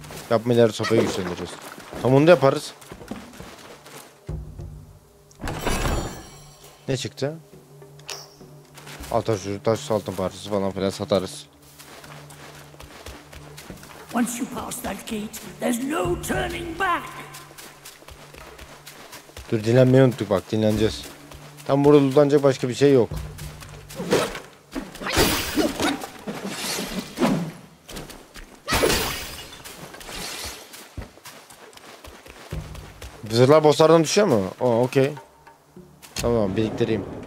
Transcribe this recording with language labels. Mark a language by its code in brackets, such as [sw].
[tr] Yapmayalım, sopayı güçlendireceğiz. Tam onu da yaparız. Ne çıktı? Ataş, taş, altın parçası falan filan satarız. [en] Once you pass that gate, there's no turning back. [tr] Dur dinlenmeyi unuttuk bak, dinleneceğiz. Tam burada dudanacak başka bir şey yok. Zırhlar bosslardan düşüyor mu? Oo okey. Tamam biriktireyim.